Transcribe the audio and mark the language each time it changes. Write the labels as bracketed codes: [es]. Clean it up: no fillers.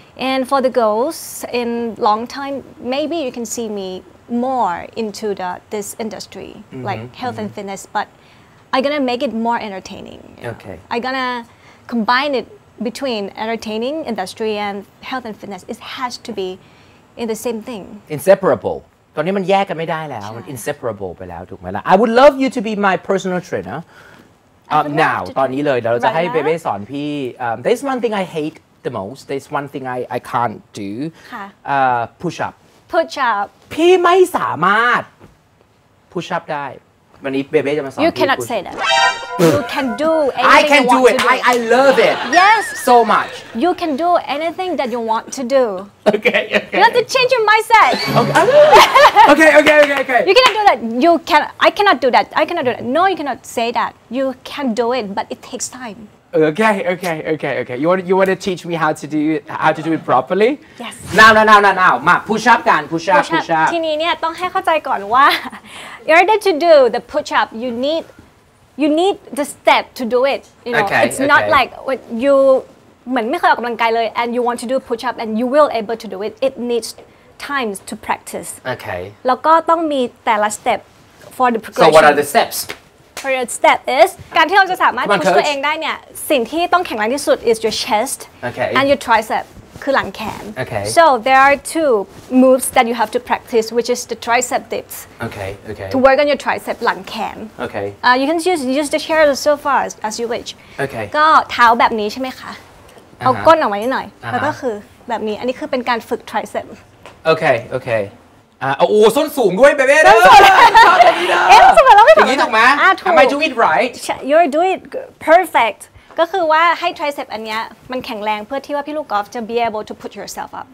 [en] And for the goals, in long time, maybe you can see me more into this industry, like health and fitness, butI'm gonna make it more entertaining. Okay. I'm gonna combine it between entertaining industry and health and fitness. It has to be in the same thing. Inseparable. [th] ตอนนี้มันแยกกันไม่ได้แล้ว Inseparable ไปแล้วถูกไหมล่ะ [en] I would love you to be my personal trainer. Now [th] ตอนนี้เลยเราจะให้เบเบ้สอนพี่ [en] There's one thing I hate the most. There's one thing I can't do. Push up. [th] พี่ไม่สามารถ push up ได้วันนี้เบเบ้จะมาสอน [en] You cannot say that. You can do anything I can you want do it. I love it. Yes. So much. You can do anything that you want to do. Okay. You have to change your mindset. Okay. You cannot do that. I cannot do that. No, you cannot say that. You can do it, but it takes time. Okay. You want to teach me how to do it properly? Yes. Now. [th] มา push up กัน push up. ทีนี้เนี่ยต้องให้เข้าใจก่อนว่า [en] in order to do the push up you need the step to do it. You know, okay, it's not like when you [th] เหมือนไม่เคยออกกำลังกายเลย [en] and you want to do push up and you will able to do it. It needs times to practice. Okay. [th] แล้วก็ต้องมีแต่ละ step [en] for the progression. So what are the steps? [th] For your step is การที่เราจะสามารถ push ตัวเองได้เนี่ยสิ่งที่ต้องแข็งแรงที่สุด [en] is your chest okay. and your tricep [th] คือหลังแขน [en] okay. so there are two moves that you have to practice which is the tricep dips okay. to work on your tricep [th] หลังแขน [en] okay. You can use the chair so far as you wish okay. [th] ก็เท้าแบบนี้ใช่ไหมคะ เอาก้นออกมาหน่อย แล้วก็คือแบบนี้อันนี้คือเป็นการฝึก tricep okay. โอ้ส้นสูงด้วยเบเบ้ ส้นสูงเอ๊ะสมมติเราไม่ ถูกอย่างนี้ถูกไหมทำไม [en] do it right you're do it perfect [th] ก็คือว่าให้ tricep อันเนี้ยมันแข็งแรงเพื่อที่ว่าพี่ลูกกอล์ฟจะ [en] be able to put yourself up